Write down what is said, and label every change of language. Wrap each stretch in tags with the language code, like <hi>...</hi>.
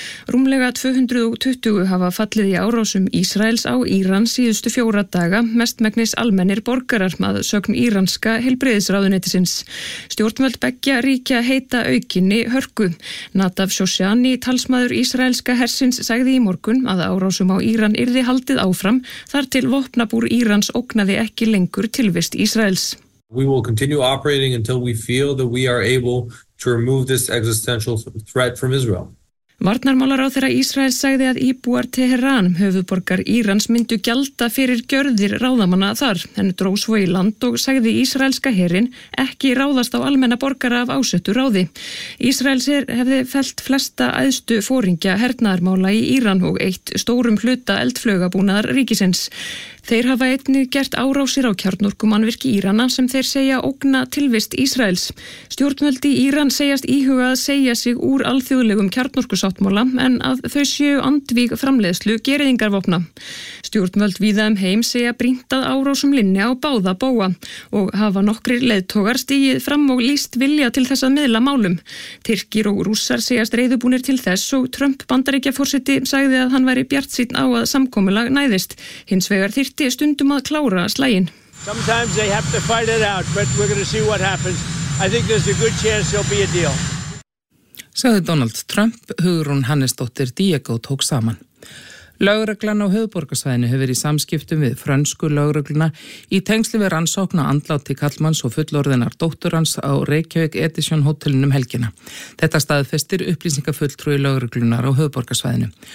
<is>Rúmlega 220 hafa fallið í árásum Ísraels á Írans síðustu 4 daga, mestmegnis almennir borgarar að sögn íranska heilbrigðisráðuneytisins. Stjórnvöld beggja ríkja heita aukinni hörku. Nadav Shoshani, talsmaður ísraelska hersins, sagði í morgun að árásum á Íran yrði haldið áfram þar til vopnabúr Írans ógnaði ekki lengur tilvist Ísraels.</is> <en>We will continue operating until we feel that we are able to remove this existential threat from Israel.</en> <is>Varnarmálaráðherra Ísraels sagði að íbúar Teheran, höfuðborgar Írans, myndu gjalda fyrir gjörðir ráðamanna þar, en dró svo í land og sagði ísraelska herinn ekki ráðast á almenna borgara af ásettu ráði. Ísraels hefði fellt flesta æðstu foringja hernaðarmála í Íran og eitt stórum hluta eldflaugabúnaðar ríkisins. Þeir hafa einnig gert árásir á kjarnorkumannvirki Írana sem þeir segja ógna tilvist Ísraels. Stjórnvöld í Íran segjast íhuga að segja sig úr alþjóðlegum kjarnorkusáttmála en að þau séu andvíg framleiðslu gereyðingarvopna. Stjórnvöld víða heim segja brýnt að árásum linni á báða bóa og hafa nokkrir leiðtogar stigið fram og líst vilja til þess að miðla málum. Tyrkir og rússar segjast reiðubúnir til þess og Trump bandaríkjaforseti sagði að hann væri bjartsýnn á að samkomulag næðist. Hins vegar þyrfti stundum að klára slægin.</is> <en>Sometimes they have to fight it out, but we're going to see what happens. I think there's a good chance there'll be a deal.</en> <is>Sagði Donald Trump, Hugrún Hannesdóttir Diego tók saman. Lögreglan á höfuðborgarsvæðinu hefur í samskiptum við frönsku lögregluna í tengsli við rannsókn á andláti Kallmanns og fullorðinnar dóttur hans á Reykjavík Edition hótelinum helgina. Þetta staðfestir upplýsingafulltrúi lögreglunar á höfuðborgarsvæðinu.</is>